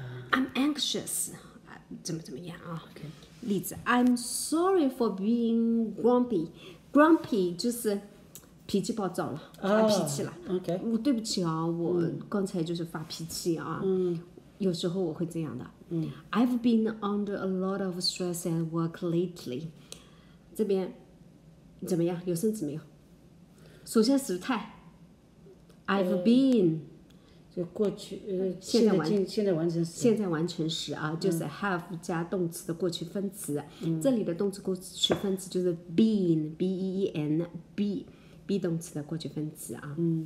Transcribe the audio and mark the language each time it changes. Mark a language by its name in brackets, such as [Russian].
[English] I'm anxious， [Chinese] 怎么怎么样啊？ [English] Okay. 例子 ，I'm sorry for being grumpy。 [Chinese] Grumpy 就是脾气暴躁了，发脾气了。 [English] Okay， [Chinese] 我对不起啊，我刚才就是发脾气啊。有时候我会这样的。 [English] I've been under a lot of stress at work lately. [Chinese] 这边怎么样？有生词没有？首先时态。 [English] I've been [Chinese] 就过去现在完成时啊，就是 have 加动词的过去分词。这里的动词过去分词就是 been b e e n be 动词的过去分词啊。